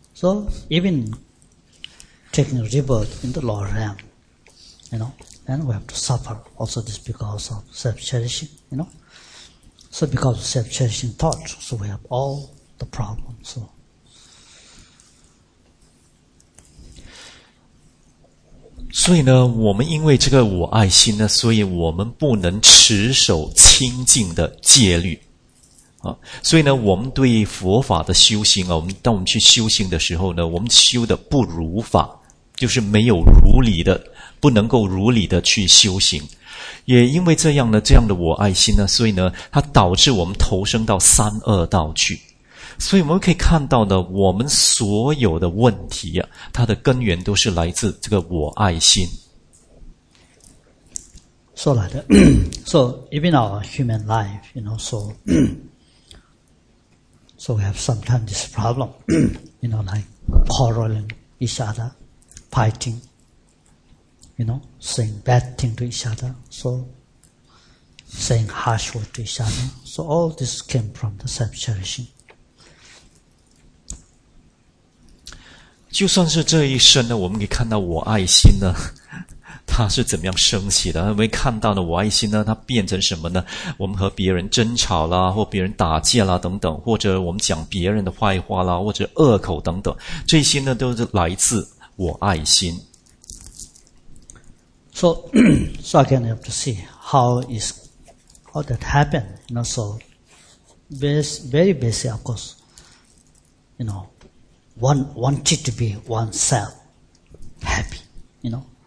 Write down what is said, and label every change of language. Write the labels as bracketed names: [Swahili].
[English] So even taking rebirth in the lower realm, you know, then we have to suffer also this because of self-cherishing, you know. So because of self-cherishing thought, so we have all the problems, so. [Chinese] 所以呢，我们因为这个我爱心呢，所以我们不能持守清净的戒律啊。所以呢，我们对佛法的修行啊，当我们去修行的时候呢，我们修的不如法，就是没有如理的，不能够如理的去修行。也因为这样呢，这样的我爱心呢，所以呢，它导致我们投生到三恶道去。所以我们可以看到呢，我们所有的问题啊，它的根源都是来自这个我爱心。 [English] So like that. So even our human life, you know, so, so we have sometimes this problem, you know, like quarreling each other, fighting, you know, saying bad thing to each other, so saying harsh word to each other. So all this came from the self-cherishing. [Chinese] 就算是这一生呢，我们可以看到我爱心呢，它是怎么样升起的？我们看到呢，我爱心呢，它变成什么呢？我们和别人争吵啦，或别人打架啦等等，或者我们讲别人的坏话啦，或者恶口等等，这些呢都是来自我爱心。 [English] So, so again, you have to see how that happened. You know, so very basic, of course, you know. One wanted to be oneself happy, you know.